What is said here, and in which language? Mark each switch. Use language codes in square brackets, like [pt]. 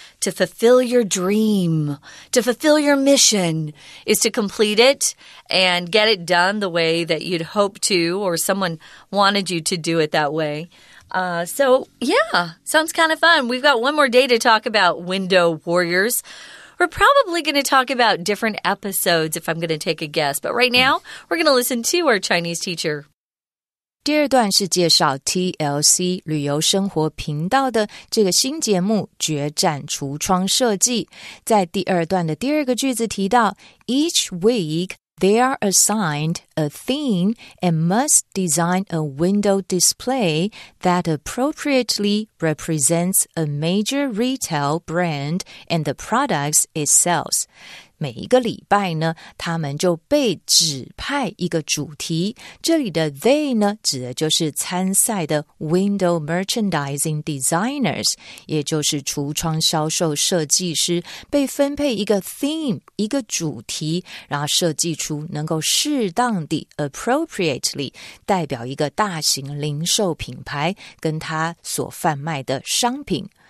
[en] To fulfill your dream, to fulfill your mission, is to complete it and get it done the way that you'd hoped to, or someone wanted you to do it that way. So, yeah, sounds kind of fun. We've got one more day to talk about Window Warriors. We're probably going to talk about different episodes if I'm going to take a guess. But right now, we're going to listen to our Chinese teacher. [zh] 第二段是介绍 TLC 旅游生活频道的这个新节目《决战橱窗设计》。在第二段的第二个句子提到 [en] ,Each week,They are assigned a theme and must design a window display that appropriately represents a major retail brand and the products it sells. [zh] 每一个礼拜呢，他们就被指派一个主题。这里的 they 呢，指的就是参赛的 [en] window merchandising designers, [zh] 也就是橱窗销售设计师，被分配一个 theme, 一个主题，然后设计出能够适当的 appropriately 代表一个大型零售品牌跟他所贩卖的商品。